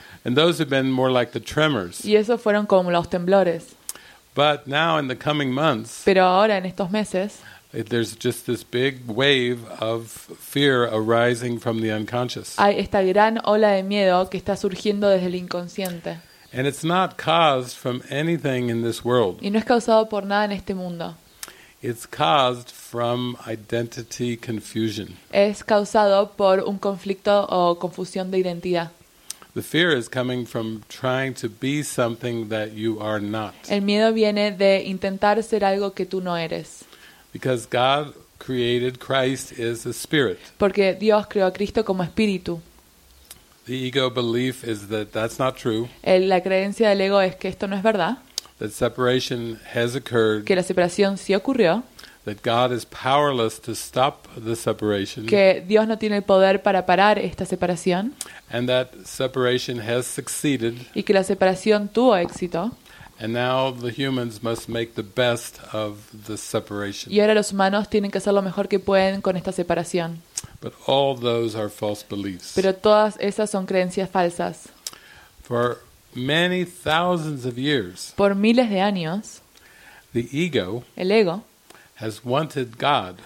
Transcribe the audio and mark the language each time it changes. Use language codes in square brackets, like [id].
[en] And those have been more like the tremors. [es] Y esos fueron como los temblores. [en] But now in the coming months, [es] pero ahora en estos meses, [en] there's just this big wave of fear arising from the unconscious. [es] Hay esta gran ola de miedo que está surgiendo desde el inconsciente. [en] And it's not caused from anything in this world. [es] Y no es causado por nada en este mundo. [en] It's caused from identity confusion. [es] Es causado por un conflicto o confusión de identidad. [en] The fear is coming from trying to be something that you are not. [es] El miedo viene de intentar ser algo que tú no eres. [en] Because God created Christ as a spirit. [es] Porque Dios creó a Cristo como espíritu. [en] The ego belief is that that's not true. [es] La creencia del ego es que esto no es verdad. [en] That separation has occurred. [es] Que la separación sí ocurrió. [en] That God is powerless to stop the separation. [es] Que Dios no tiene el poder para parar esta separación. [en] And that separation has succeeded. [es] Y que la separación tuvo éxito. [en] And now the humans must make the best of the separation. [es] Y ahora los humanos tienen que hacer lo mejor que pueden con esta separación. [en] But all those are false beliefs. [es] Pero todas esas son creencias falsas. [en] For many thousands of years. [es] Por miles de años. [en] The ego. [es] El ego. [en] Has wanted God.